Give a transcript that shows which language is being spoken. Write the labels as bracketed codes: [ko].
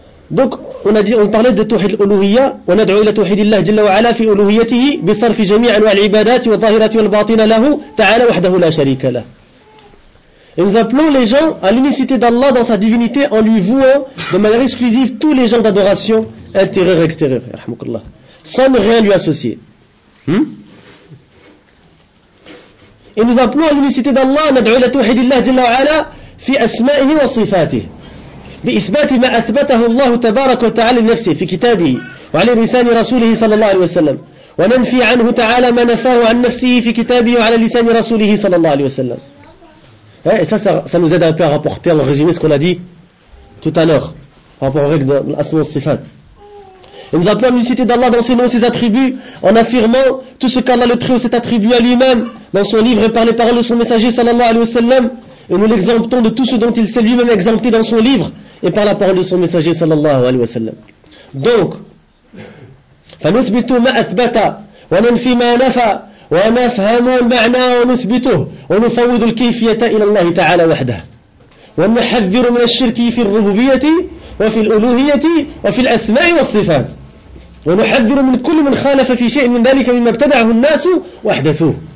[fr] Donc on parlait de Tawhid al-Uluhiyya, on a dit la Tawhid Allah Jalla wa Ala fi uluhiyyatihi bi sarf jami' anwa' al-ibadat wa zahirati wa batina lahu ta'ala wahdahu la sharika lah. Et nous appelons les gens à l'unicité d'Allah dans sa divinité en lui vouant de manière exclusive tous les genres d'adoration intérieure et extérieure, yarhamukallah, sans ne rien lui associer. [ar] Et nous appelons à l'unicité d'Allah, ندعو لتوحيد الله جل وعلا في أسمائه وصفاته بإثبات ما أثبته الله تبارك وتعالى لنفسه في كتابه وعلى لسان رسوله صلى الله عليه وسلم وننفي عنه تعالى ما نفاه عن نفسه في كتابه وعلى لسان رسوله صلى الله عليه وسلم. [fr] Et ça, ça nous aide un peu à rapporter, à résumer ce qu'on a dit tout à l'heure, par rapport avec l'asma wa sifat. Et nous appelons à l'unicité d'Allah dans ses noms et ses attributs, en affirmant tout ce qu'Allah le Très-Haut s'est attribué à lui-même, dans son livre et par les paroles de son messager, sallallahu alayhi wa sallam, et nous l'exemptons de tout ce dont il s'est lui-même exempté dans son livre, et par la parole de son messager, sallallahu alayhi wa sallam. [ar] Donc, فَنُثْبِتُ مَا أَثْبَتَ وَنَنْفِي مَا نَفَى ونفهم المعنى ونثبته ونفوض الكيفية إلى الله تعالى وحده ونحذر من الشرك في الربوبية وفي الألوهية وفي الأسماء والصفات ونحذر من كل من خالف في شيء من ذلك مما ابتدعه الناس وأحدثوه.